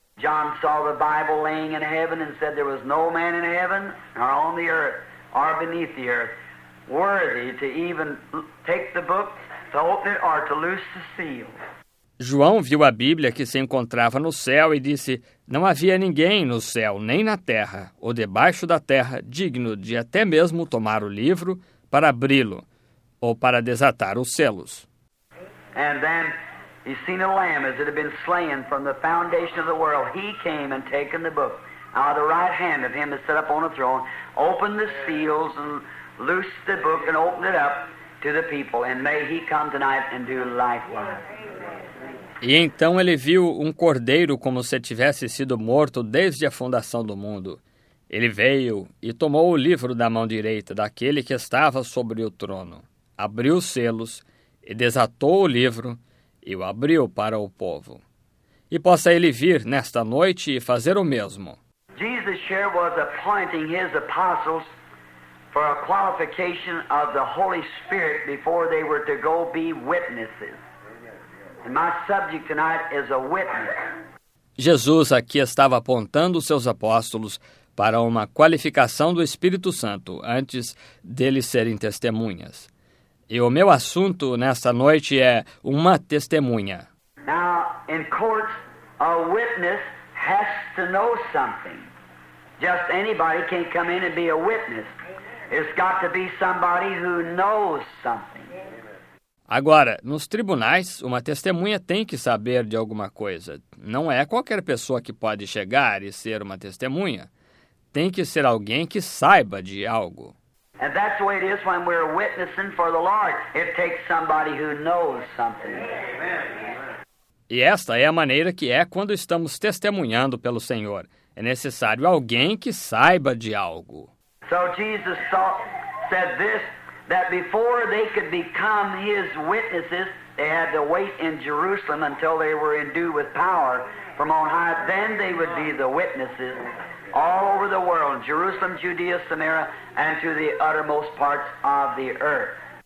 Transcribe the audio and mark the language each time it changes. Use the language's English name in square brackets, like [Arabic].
[English] John saw the Bible laying in heaven and said there was no man in heaven nor on the earth or beneath the earth worthy to even take the book, to open it or to loose the seal. [Portuguese] João viu a Bíblia que se encontrava no céu e disse: não havia ninguém no céu nem na terra ou debaixo da terra digno de até mesmo tomar o livro para abri-lo ou para desatar os selos. [English] And then he's seen a lamb as it had been slain from the foundation of the world. He came and taken the book out of the right hand of him that sat upon the throne, opened the seals and loosed the book and opened it up to the people. And may he come tonight and do likewise. [Portuguese] E então ele viu um cordeiro como se tivesse sido morto desde a fundação do mundo. Ele veio e tomou o livro da mão direita daquele que estava sobre o trono, abriu os selos e desatou o livro, e o abriu para o povo. E possa ele vir nesta noite e fazer o mesmo. [English] Jesus here was appointing his apostles for a qualification of the Holy Spirit before they were to go be witnesses. And my subject tonight is a witness. [Portuguese] Jesus aqui estava apontando seus apóstolos para uma qualificação do Espírito Santo antes deles serem testemunhas. E o meu assunto nesta noite é uma testemunha. [English] Now, in courts, a witness has to know something. Just anybody can't come in and be a witness. It's got to be somebody who knows something. [Portuguese] Agora, nos tribunais, uma testemunha tem que saber de alguma coisa. Não é qualquer pessoa que pode chegar e ser uma testemunha. Tem que ser alguém que saiba de algo. [English] And that's the way it is when we're witnessing for the Lord. It takes somebody who knows something. [Portuguese] E esta é a maneira que é quando estamos testemunhando pelo Senhor. É necessário alguém que saiba de algo. [English] So Jesus thought, said this, that before they could become his witnesses, they had to wait in Jerusalem until they were endued with power from on high. Then they would be the witnesses all over the world, Jerusalem, Judea, Samaria, and to the uttermost parts of the earth.